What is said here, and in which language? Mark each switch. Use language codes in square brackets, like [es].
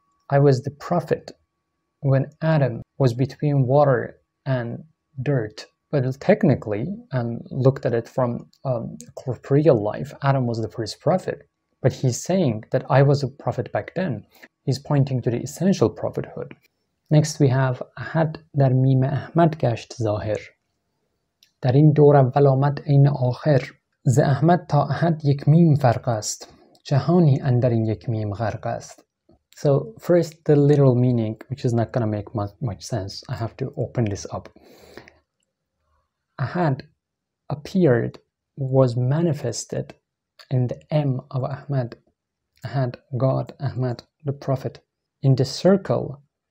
[en] I was the prophet when Adam was between water and dirt. But technically, and looked at it from corporeal life, Adam was the first prophet. But he's saying that I was a prophet back then. He's pointing to the essential prophethood. Next we have [fa] احد در میمه احمد گشت ظاهر در این دور اول آمد این آخر ز احمد تا احد یک میم فرق است جهانی اندر این یک میم غرق است. [en] So first the literal meaning, which is not going to make much sense. I have to open this up. احد appeared, was manifested in the M of احمد, احد God, احمد the prophet, in the circle.